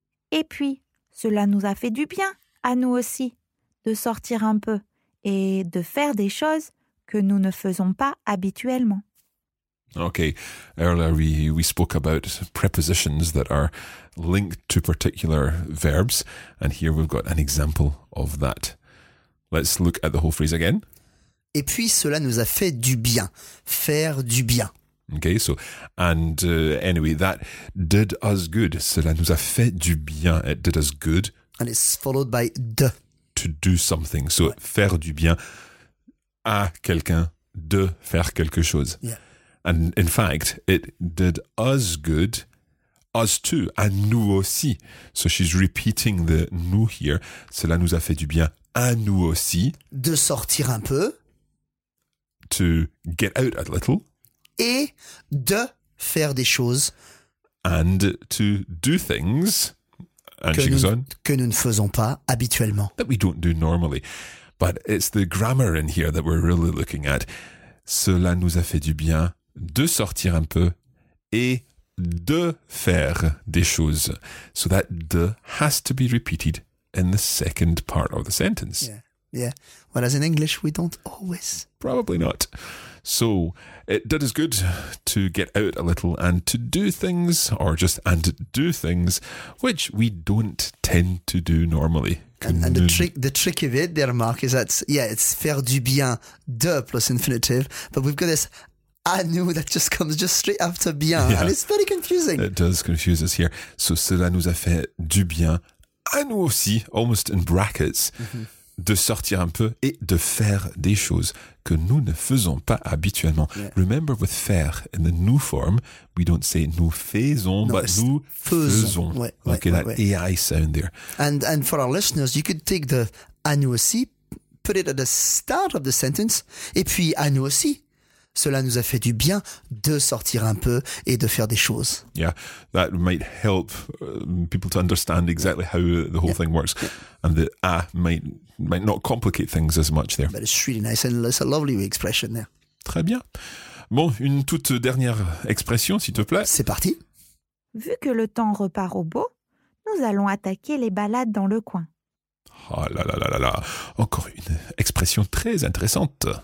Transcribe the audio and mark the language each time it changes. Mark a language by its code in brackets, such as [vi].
[fr] Et puis, cela nous a fait du bien, à nous aussi, de sortir un peu et de faire des choses que nous ne faisons pas habituellement. [en] Okay, earlier we spoke about prepositions that are linked to particular verbs, and here we've got an example of that. Let's look at the whole phrase again. [fr] Et puis cela nous a fait du bien. Faire du bien. [en] Okay, so, and anyway, that did us good. [fr] Cela nous a fait du bien. [en] It did us good. And it's followed by de. To do something. [fr] So, faire du bien à quelqu'un, de faire quelque chose. [en] Yeah. And in fact, it did us good, us too, and [fr] nous aussi. [en] So she's repeating the nous here. [fr] Cela nous a fait du bien à nous aussi. De sortir un peu. [en] To get out a little. [fr] Et de faire des choses. [en] And to do things. And [fr] que [en] she [fr] nous, [en] goes on. [fr] Que nous ne faisons pas habituellement. [en] That we don't do normally. But it's the grammar in here that we're really looking at. [fr] Cela nous a fait du bien. De sortir un peu et de faire des choses. [en] So that de has to be repeated in the second part of the sentence. Yeah, yeah. Whereas in English, we don't always. Probably not. So it did us good to get out a little and to do things, or just and do things, which we don't tend to do normally. And the trick of it there, Mark, is that, yeah, it's [fr] faire du bien, [en] de plus infinitive, but we've got this... I knew that just comes just straight after bien. Yeah. And it's very confusing. It does confuse us here. [fr] So cela nous a fait du bien, à nous aussi, [en] almost in brackets, [fr] de sortir un peu et de faire des choses que nous ne faisons pas habituellement. [en] Yeah. Remember with faire in the nous form, we don't say [fr] nous faisons, [en] no, but nous faisons. Okay, that AI sound there. And for our listeners, you could take the [fr] à nous aussi, [en] put it at the start of the sentence, [fr] et puis à nous aussi. Cela nous a fait du bien de sortir un peu et de faire des choses. [en] Yeah, that might help people to understand exactly how the whole thing works. Yeah. And the might not complicate things as much there. But it's really nice and it's a lovely expression there. [fr] Très bien. Bon, une toute dernière expression, s'il te plaît. C'est parti. Vu que le temps repart au beau, nous allons attaquer les balades dans le coin. Oh là là là là là, encore une expression très intéressante.